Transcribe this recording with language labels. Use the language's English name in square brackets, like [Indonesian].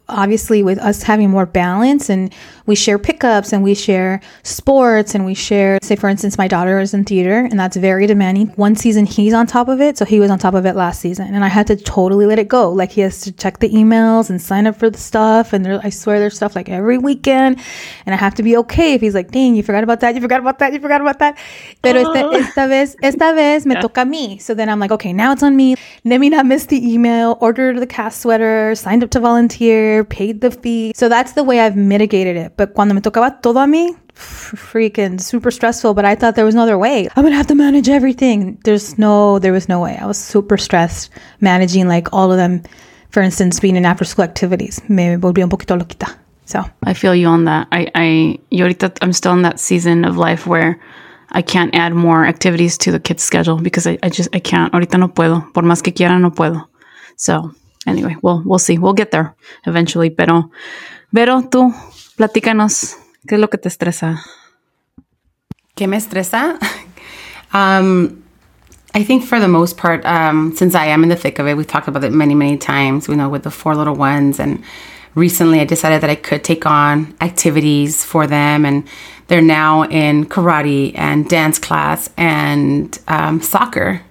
[English] obviously with us having more balance and we share pickups and we share sports and we share, say, for instance, my daughter is in theater and that's very demanding. One season he's on top of it. So he was on top of it last season and I had to totally let it go. Like he has to check the emails and sign up for the stuff. And I swear there's stuff like every weekend and I have to be okay if he's like, dang, you forgot about that. You forgot about that. [Spanish] Pero esta vez me toca a mí. [English] So then I'm like, okay, now it's on me. Let me not miss the email, order the cast sweater, signed up to volunteer, paid the fee. So that's the way I've mitigated it. But [Spanish] cuando me tocaba todo a mí, [English] freaking super stressful. But I thought there was no other way. I'm gonna have to manage everything. There was no way. I was super stressed managing like all of them. For instance, being in after school activities, [Spanish] me volví un poquito loquita. [English] So I feel you on that. I'm still in that season of life where I can't add more activities to the kids' schedule because I can't. [Spanish] Ahorita no puedo. Por más que quiera, no puedo. [English] So. Anyway, we'll see. We'll get there eventually. [Spanish] Pero tú, platícanos, ¿qué es lo que te estresa? ¿Qué me estresa? [English] I think for the most part, since I am in the thick of it, we've talked about it many, many times, you know, with the four little ones. And recently I decided that I could take on activities for them. And they're now in karate and dance class and soccer.